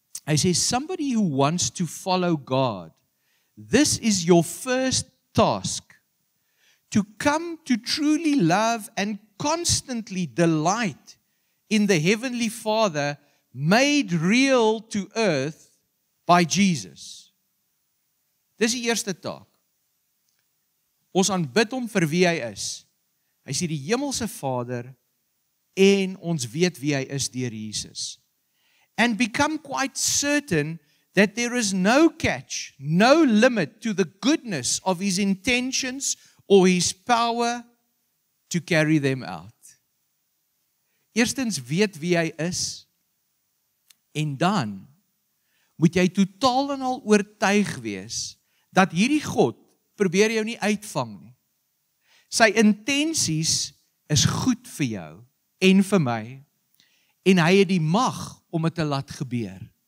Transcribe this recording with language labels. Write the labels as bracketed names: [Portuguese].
[Afrikaans] Hy sê, [English] somebody who wants to follow God, this is your first task, to come to truly love and constantly delight in the Heavenly Father made real to earth by Jesus. [Afrikaans] Dis die eerste taak. Ons aanbid hom vir wie hy is. Hy sê die hemelse Vader en ons weet wie hy is deur Jesus. [English] And become quite certain that there is no catch, no limit to the goodness of his intentions or his power to carry them out. [Afrikaans] Eerstens weet wie hy is, en dan moet jy totaal en al oortuig wees, dat hierdie God probeer jou nie uitvang nie. Sy intensies is goed vir jou en vir my, en hy het die mag om het te laat gebeur.